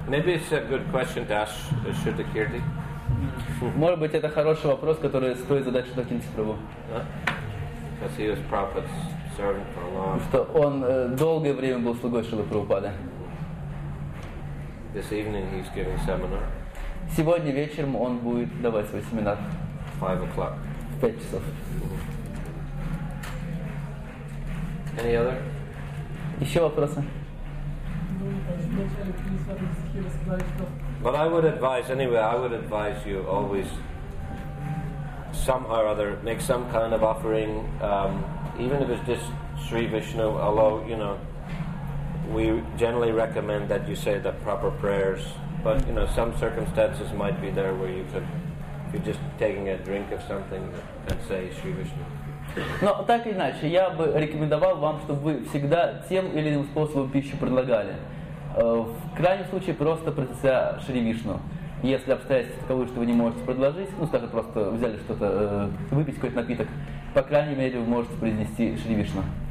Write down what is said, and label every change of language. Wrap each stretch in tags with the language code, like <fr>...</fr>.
<en>Maybe it's a good question to ask Shudakirti.</en> <ru>Может быть, это хороший вопрос, который стоит задать Шудакирти Прабху.</ru> <en>Because he was Prabhupada's servant for a long time.</en> <ru>Что он долгое время был слугой Шрилы Прабхупады.</ru> <en>This evening he's giving seminar.</en> <ru>Сегодня вечером он будет давать свой семинар.</ru> <en>5 o'clock.</en> <ru>В 5 часов.</ru> <en>Any other?</en> <ru>Еще вопросы?</ru> <en>But I would advise, anyway, I would advise you always somehow or other make some kind of offering, even if it's just Sri Vishnu, although, you know, we generally recommend that you say the proper prayers. But you know, some circumstances might be there where you could, if you're just taking a drink of something, and say Shri Vishnu.</en> <ru>Но так или иначе, я бы рекомендовал вам, чтобы вы всегда тем или иным способом пищу предлагали. В крайнем случае просто произнеся Шри Вишну. Если обстоятельства таковы, что вы не можете предложить, ну скажем, просто взяли что-то выпить какой-то напиток, по крайней мере вы можете произнести Шри Вишну.</ru>